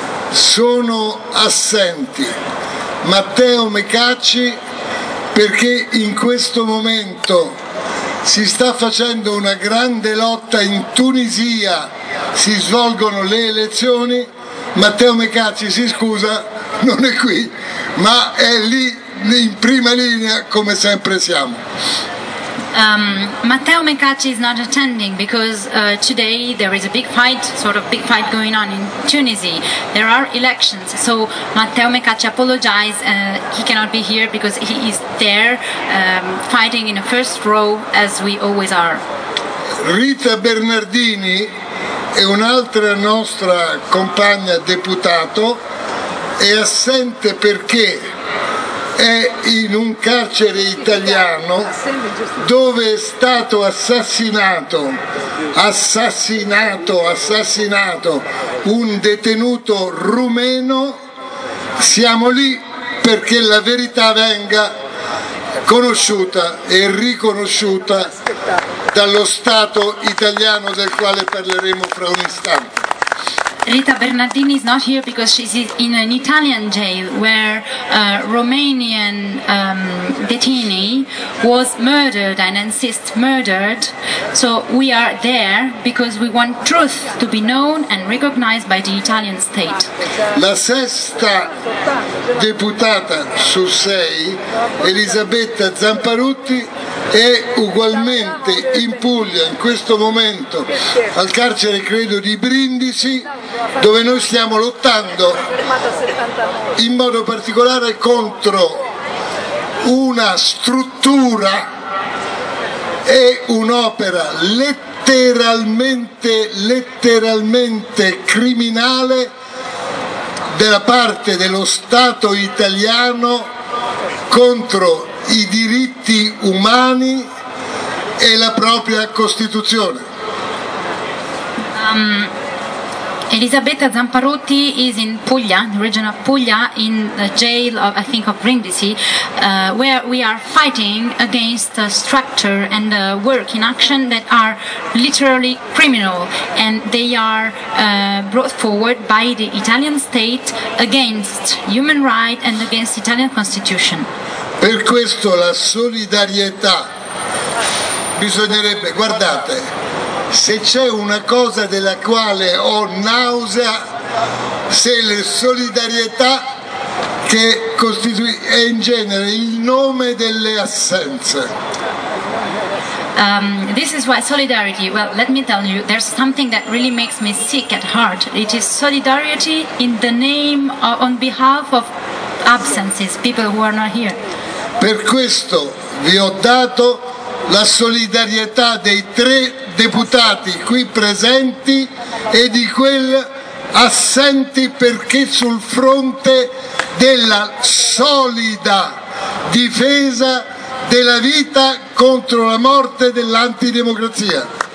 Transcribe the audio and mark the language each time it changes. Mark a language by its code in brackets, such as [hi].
[it] Sono assenti Matteo Mecacci, perché in questo momento si sta facendo una grande lotta in Tunisia, si svolgono le elezioni, Matteo Mecacci si scusa, non è qui, ma è lì in prima linea come sempre siamo. [en] Matteo Mecacci is not attending because today there is a big fight, sort of big fight going on in Tunisia. There are elections, so Matteo Mecacci apologizes. He cannot be here because he is there fighting in the first row as we always are. [it] Rita Bernardini è un'altra nostra compagna deputato, è assente perché è in un carcere italiano dove è stato assassinato un detenuto rumeno. Siamo lì perché la verità venga conosciuta e riconosciuta dallo Stato italiano, del quale parleremo fra un istante. [en] Rita Bernardini is not here because she's in an Italian jail where a Romanian detainee was murdered and insists murdered. So we are there because we want truth to be known and recognized by the Italian state. [it] La sesta deputata su 6, Elisabetta Zamparutti, è ugualmente in Puglia in questo momento al carcere, credo, di Brindisi, dove noi stiamo lottando in modo particolare contro una struttura e un'opera letteralmente criminale della parte dello Stato italiano contro i diritti umani e la propria Costituzione. [en] Elisabetta Zamparutti is in Puglia, the region of Puglia, in the jail of, I think, of Brindisi, where we are fighting against the structure and the work in action that are literally criminal, and they are brought forward by the Italian state against human rights and against the Italian constitution. [it] Per questo la solidarietà bisognerebbe, guardate, se c'è una cosa della quale ho nausea, se la solidarietà che costituisce in genere il nome delle assenze. [en] This is why solidarity, well, let me tell you, there's something that really makes me sick at heart. It is solidarity in the name, on behalf of absences, people who are not here. [it] Per questo vi ho dato la solidarietà dei tre deputati qui presenti e di quel assenti, perché sul fronte della solida difesa della vita contro la morte dell'antidemocrazia.